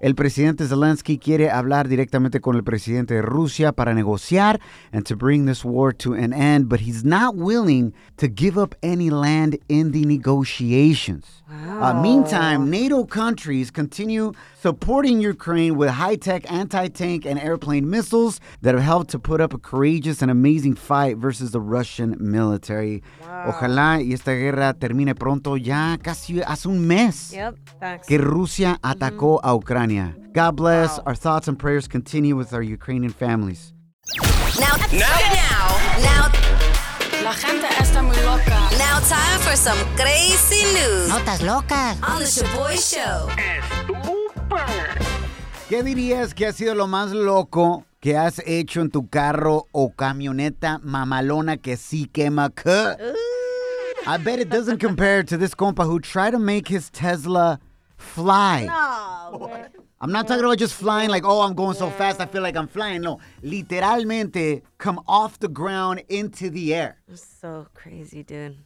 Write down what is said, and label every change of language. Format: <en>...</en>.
<es>El presidente Zelensky quiere hablar directamente con el presidente de Rusia para negociar</es> <en>and to bring this war to an end, but he's not willing to give up any land in the negotiations. Wow. Meantime, NATO countries continue supporting Ukraine with high-tech anti-tank and airplane missiles that have helped to put up a courageous and amazing fight versus the Russian military. Wow.</en> <es>Ojalá y esta guerra termine pronto, ya casi hace un mes,</es> <en>yep,</en> <es>que Rusia atacó a Ucrania.</es> <en>God bless. Wow. Our thoughts and prayers continue with our Ukrainian families. Now.</en> <es>La gente está muy loca.</es> <en>Now time for some crazy news.</en> <es>Notas locas.</es> <en>On the Shaboy Show.</en> <es>Estúpido. ¿Qué dirías que ha sido lo más loco que has hecho en tu carro o camioneta mamalona que sí quema?</es> <en>I bet it doesn't compare to this compa who tried to make his Tesla fly. No, I'm not talking about just flying like, oh, I'm going so fast, I feel like I'm flying. No,</en> <es>literalmente</es> <en>come off the ground into the air. That's so crazy, dude.</en>